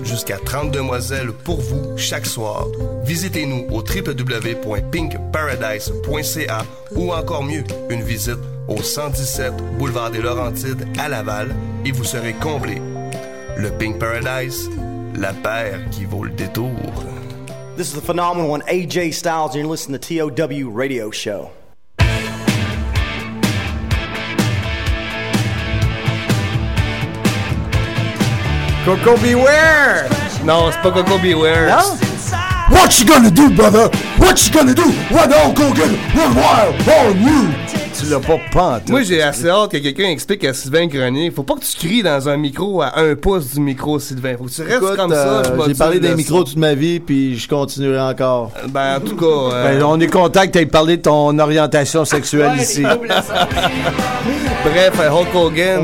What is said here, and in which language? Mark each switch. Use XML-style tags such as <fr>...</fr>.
<fr>Jusqu'à 30 demoiselles pour vous chaque soir. Visitez-nous au www.pinkparadise.ca ou encore mieux, une visite au 117 boulevard des Laurentides à Laval et vous serez comblé. Le Pink Paradise, la paire qui vaut le détour.</fr> <en>This is the phenomenal one, AJ Styles, and you're listening to the TOW Radio Show.</en> <fr>Coco Beware! Non, c'est pas Coco Beware. Non?</fr> <en>What you gonna do, brother? What you gonna do when the Hulk Hogan went wild on you?</en> <fr>Tu l'as pas pente. Moi, j'ai assez hâte que quelqu'un explique à Sylvain Grenier. Faut pas que tu cries dans un micro à un pouce du micro, Sylvain. Faut que tu restes écoute, comme ça. J'ai parlé des micros toute ma vie, puis je continuerai encore. Ben, en tout cas... On est content que t'aies parlé de ton orientation sexuelle ici. Bref, Hulk Hogan...</fr>